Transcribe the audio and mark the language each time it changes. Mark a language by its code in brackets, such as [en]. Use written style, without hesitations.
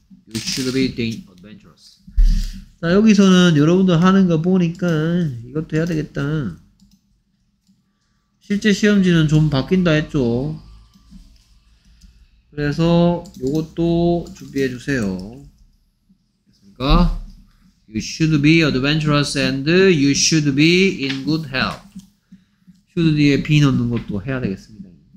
[en] You should be adventurous. [ko] 자, 여기서는 여러분들 하는 거 보니까 이것도 해야 되겠다. 실제 시험지는 좀 바뀐다 했죠. 그래서 이것도 준비해 주세요. 됐습니까? [en] You should be adventurous and you should be in good health. [ko] 슈드 뒤에 비 넣는 것도 해야 되겠습니다.